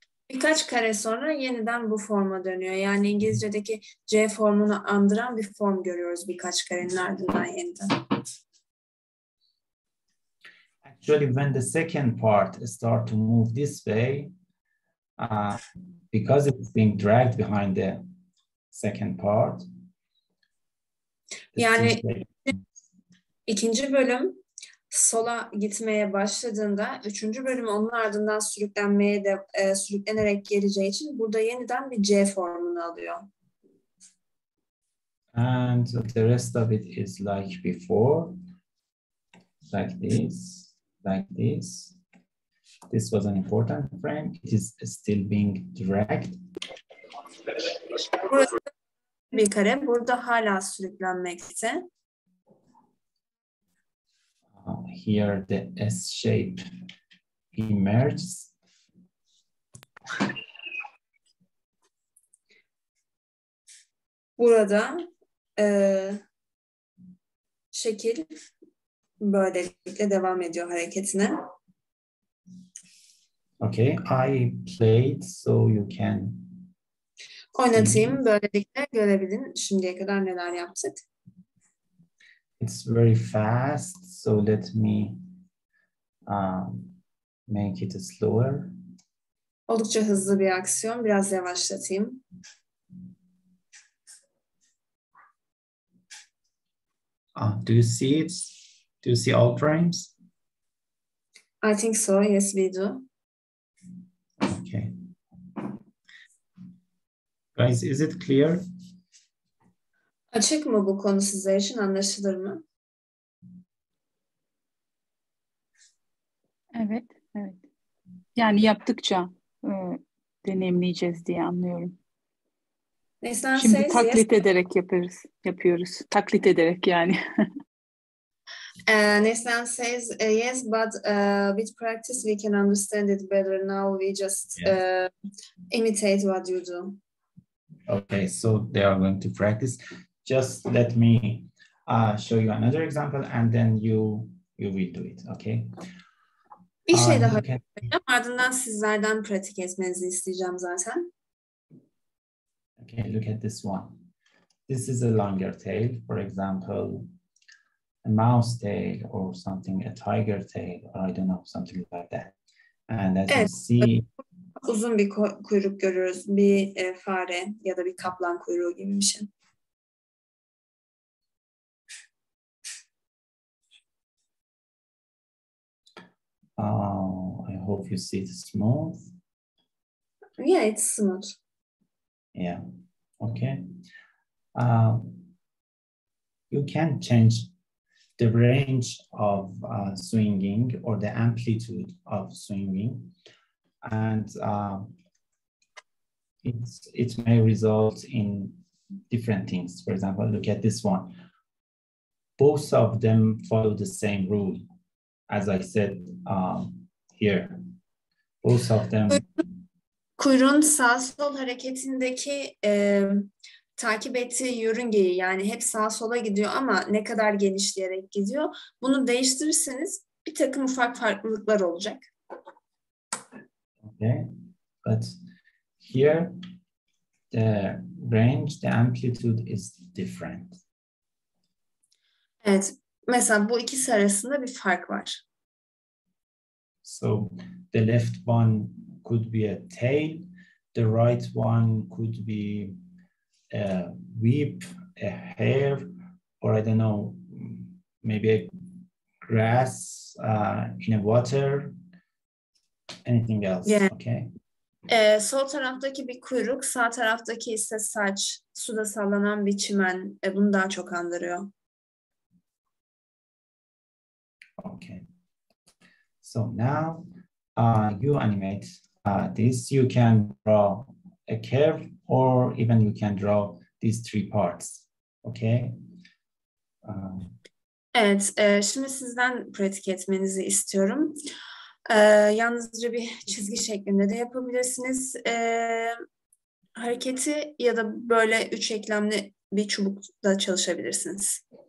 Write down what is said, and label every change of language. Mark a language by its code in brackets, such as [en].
[tr] Birkaç kare sonra yeniden bu forma dönüyor. Yani İngilizce'deki C formunu andıran bir form görüyoruz birkaç karenin ardından yeniden. [en] Actually, when the second part start to move this way, because it's being dragged behind the second part. [tr] Yani ikinci bölüm sola gitmeye başladığında üçüncü bölüm onun ardından sürüklenerek geleceği için burada yeniden bir C formunu alıyor. [en] And the rest of it is like before. Like this. Like this. This was an important frame. It is still being dragged. [tr] Bir kare burada hala sürüklenmekte. [en] Here the S shape emerges. [tr] Burada şekil böylelikle devam ediyor hareketine. [en] Okay, I played so you can. [tr] Oynatayım, böylelikle görebilin şimdiye kadar neler yaptık. [en] It's very fast, so let me make it slower. [tr] Oldukça hızlı bir aksiyon, biraz yavaşlatayım. [en] Do you see it? Do you see all frames? I think so, yes we do. Okay. Guys, is it clear? [tr] Açık mı bu konu size için, anlaşılır mı? Evet. Yani yaptıkça deneyimleyeceğiz diye anlıyorum. Nesnel şimdi size taklit size... ederek yaparız, yapıyoruz. Taklit ederek yani. [en] Nesnel says yes, but with practice we can understand it better. Now we just imitate what you do. Okay, so they are going to practice. Just let me show you another example, and then you will do it. Okay. [tr] Bir şey daha söyleyeceğim. Ardından sizlerden pratik etmenizi isteyeceğim zaten. [en] Okay, look at this one. This is a longer tail, for example. A mouse tail or something, a tiger tail, or I don't know, something like that. And as you see, [tr] uzun bir kuyruk görüyoruz, bir fare ya da bir kaplan kuyruğu gibi bir şey. [en] Oh, I hope you see it smooth. Yeah, it's smooth. Yeah. Okay. You can change the range of swinging or the amplitude of swinging, and it may result in different things. For example, look at this one. Both of them follow the same rule, as I said here. Both of them. [tr] Kuyruğun sağ sol hareketindeki takip ettiği yörüngeyi, yani hep sağ sola gidiyor ama ne kadar genişleyerek gidiyor. Bunu değiştirirseniz bir takım ufak farklılıklar olacak. [en] Okay, but here the range, the amplitude is different. [tr] Evet, mesela bu ikisi arasında bir fark var. [en] So the left one could be a tail, the right one could be a whip, a hare, or I don't know, maybe a grass in a water, anything else, yeah. Okay? [tr] Sol taraftaki bir kuyruk, sağ taraftaki ise saç, suda sallanan bir çimen, bunu daha çok andırıyor. [en] Okay. So now you animate this, you can draw a curve, or even you can draw these three parts. Okay. [tr] Evet, şimdi sizden pratik etmenizi istiyorum. Yalnızca bir çizgi şeklinde de yapabilirsiniz. Hareketi ya da böyle üç eklemli bir çubukla çalışabilirsiniz.